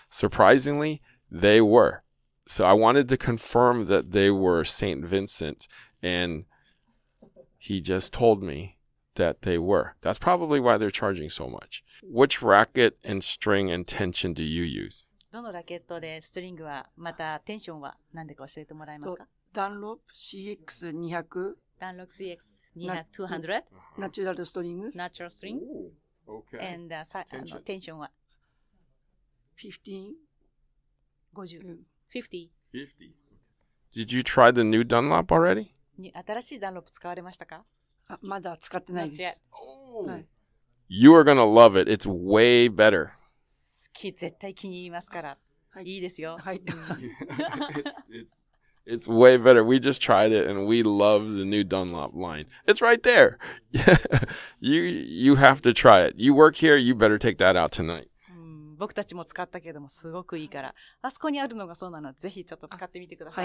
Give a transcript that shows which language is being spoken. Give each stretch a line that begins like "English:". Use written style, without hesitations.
English: Surprisingly, they were. So I wanted to confirm that they were Saint Vincent, and he just told me that they were. That's probably why they're charging so much. Which racket and string and tension do you use?
Japanese: どのラケットでストリングはまたテンションは何でか教えてもらえますか？ダンロップ CX200。ダンロップ CX200。ナチュラルストリング。ナチュラルストリング。
English: Okay.
Japanese: And テンションは
English: 50? 50. Did you try the new Dunlop already?
Japanese: 新しいダンロップ使われましたか？まだ使ってないです。
English: Oh. You are gonna love it. It's way better.
Japanese: 絶対気に入りますから。いいですよ。はい。
English: It's way better. We just tried it and we love the new Dunlop line. It's right there. you have to try it. You work here, you better take that out tonight.
Japanese: 僕たちも使ったけどもすごくいいから。あそこにあるのがそうなの。ぜひちょっと使ってみてください。